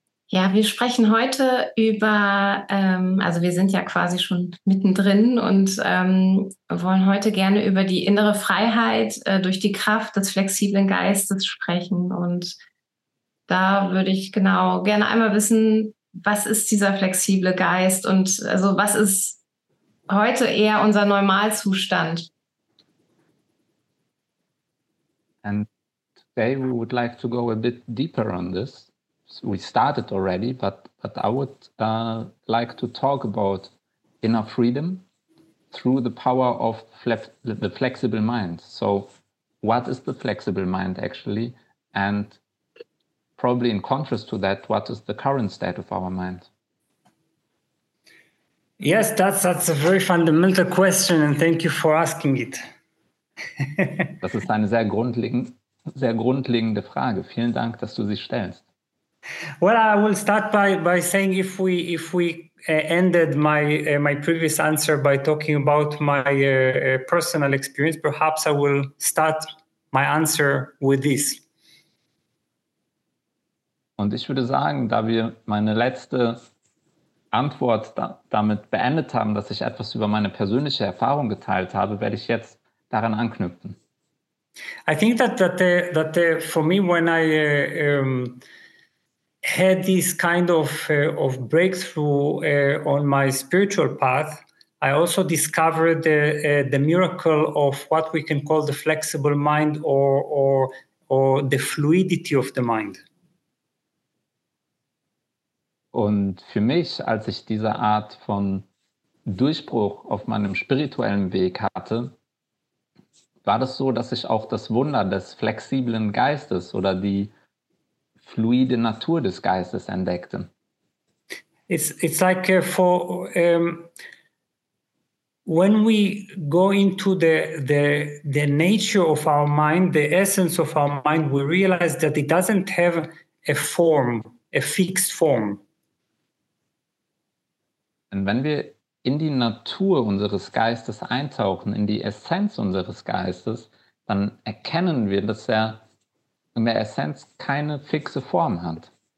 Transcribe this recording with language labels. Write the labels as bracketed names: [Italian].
[German] Ja, wir sprechen heute über, also wir sind ja quasi schon mittendrin und wollen heute gerne über die innere Freiheit durch die Kraft des flexiblen Geistes sprechen. Und da würde ich genau gerne einmal wissen, was ist dieser flexible Geist und also was ist heute eher unser Normalzustand? [English] Today we would like to go a bit deeper on this. We started already, but I would like to talk about inner freedom through the power of the flexible mind. So what is the flexible mind actually? And probably in contrast to that, what is the current state of our mind? Yes, that's a very fundamental question, and thank you for asking it. [German] Das ist eine sehr grundlegende Frage. Vielen Dank, dass du sie stellst. [English] Well, I will start by saying if we ended my previous answer by talking about my personal experience, perhaps I will start my answer with this. [German] Und ich würde sagen, da wir meine letzte Antwort damit beendet haben, dass ich etwas über meine persönliche Erfahrung geteilt habe, werde ich jetzt daran anknüpfen. [English] I think that for me, when I had this kind of breakthrough on my spiritual path, I also discovered the miracle of what we can call the flexible mind or the fluidity of the mind. [German] Und für mich, als ich diese Art von Durchbruch auf meinem spirituellen Weg hatte, war das so, dass ich auch das Wunder des flexiblen Geistes oder die fluide Natur des Geistes entdeckte. [English] It's like for when we go into the nature of our mind, the essence of our mind, we realize that it doesn't have a form, a fixed form. [German] Und wenn wir in die Natur unseres Geistes eintauchen, in die Essenz unseres Geistes, dann erkennen wir, dass er in der Essenz keine fixe Form hat.